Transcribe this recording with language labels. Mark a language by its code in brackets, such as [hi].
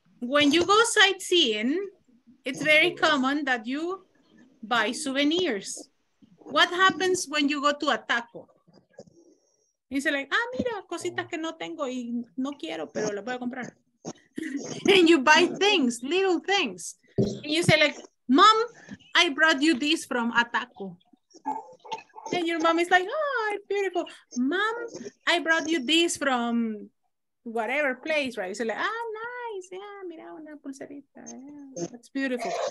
[en] When you go sightseeing, it's very common that you buy souvenirs. What happens when you go to a taco? [es] Y se like, ah, mira, cositas que no tengo y no quiero, pero las voy a comprar. [en] And you buy things, little things. And you say like, mom, I brought you this from Ataco. And your mom is like, oh, beautiful. Mom, I brought you this from whatever place, right? You say like, ah, nice, yeah, [es] mira, una pulserita. [en] Yeah, that's beautiful.